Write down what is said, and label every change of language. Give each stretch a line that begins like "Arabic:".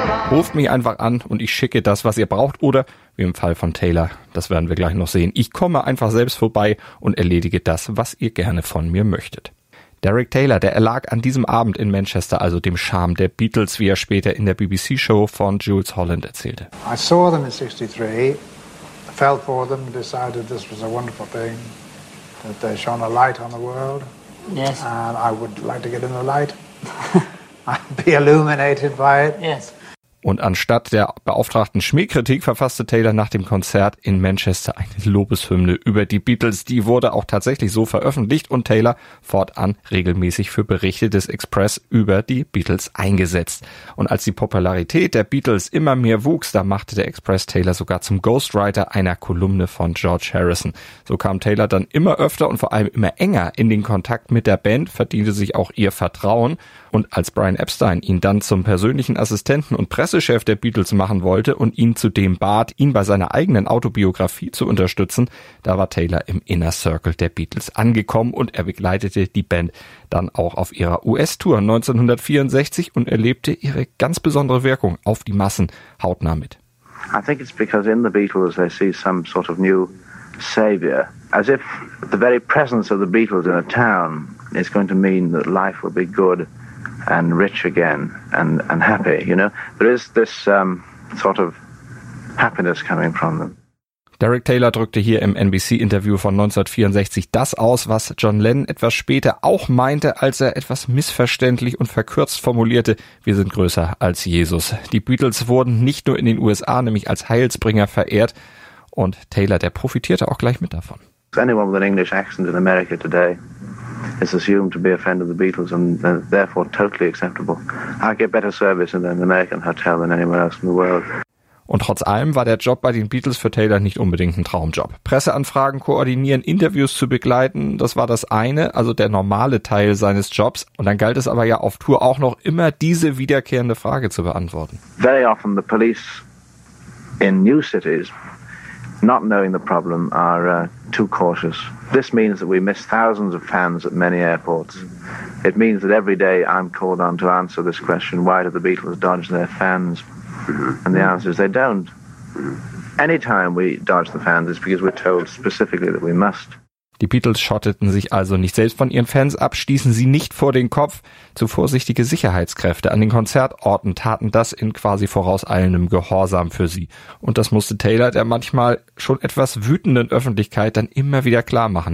German: Ruft mich einfach an und ich schicke das, was ihr braucht oder, wie im Fall von Taylor, das werden wir gleich noch sehen, ich komme einfach selbst vorbei und erledige das, was ihr gerne von mir möchtet. Derek Taylor, der erlag an diesem Abend in Manchester also dem Charme der Beatles, wie er später in der BBC-Show von Jules Holland erzählte.
English: I saw them in 63, fell for them, decided this was a wonderful thing, that they shone a light on the world. Yes. And I would like to get in the light. I'd be illuminated by it. Yes.
German: Und anstatt der beauftragten Schmähkritik verfasste Taylor nach dem Konzert in Manchester eine Lobeshymne über die Beatles. Die wurde auch tatsächlich so veröffentlicht und Taylor fortan regelmäßig für Berichte des Express über die Beatles eingesetzt. Und als die Popularität der Beatles immer mehr wuchs, da machte der Express Taylor sogar zum Ghostwriter einer Kolumne von George Harrison. So kam Taylor dann immer öfter und vor allem immer enger in den Kontakt mit der Band, verdiente sich auch ihr Vertrauen. Und als Brian Epstein ihn dann zum persönlichen Assistenten und Pressechef Pressechef der Beatles machen wollte und ihn zudem bat, ihn bei seiner eigenen Autobiografie zu unterstützen, da war Taylor im Inner Circle der Beatles angekommen und er begleitete die Band dann auch auf ihrer US-Tour 1964 und erlebte ihre ganz besondere Wirkung auf die Massen hautnah mit.
English: I think it's because in the Beatles they see some sort of new savior, as if the very presence of the Beatles in a town is going to mean that life will be good and rich again and happy, you know. There is this sort of happiness coming from them.
German: Derek Taylor drückte hier im NBC-Interview von 1964 das aus, was John Lennon etwas später auch meinte, als er etwas missverständlich und verkürzt formulierte: Wir sind größer als Jesus. Die Beatles wurden nicht nur in den USA, nämlich als Heilsbringer verehrt, und Taylor, der profitierte auch gleich mit davon.
English: Anyone with an English accent in America today is assumed to be a friend of the Beatles and therefore totally acceptable. I get better service in an American hotel than anywhere else in the world.
German: Und trotz allem war der Job bei den Beatles für Taylor nicht unbedingt ein Traumjob. Presseanfragen koordinieren, Interviews zu begleiten, das war das eine, also der normale Teil seines Jobs. Und dann galt es aber ja auf Tour auch noch immer diese wiederkehrende Frage zu beantworten.
English: Very often the police in new cities, not knowing the problem, are too cautious. This means that we miss thousands of fans at many airports. It means that every day I'm called on to answer this question: why do the Beatles dodge their fans? And the answer is they don't. Anytime we dodge the fans, it's because we're told specifically that we must.
German: Die Beatles schotteten sich also nicht selbst von ihren Fans ab, stießen sie nicht vor den Kopf. Zu vorsichtige Sicherheitskräfte an den Konzertorten taten das in quasi vorauseilendem Gehorsam für sie. Und das musste Taylor der manchmal schon etwas wütenden Öffentlichkeit dann immer wieder klar machen.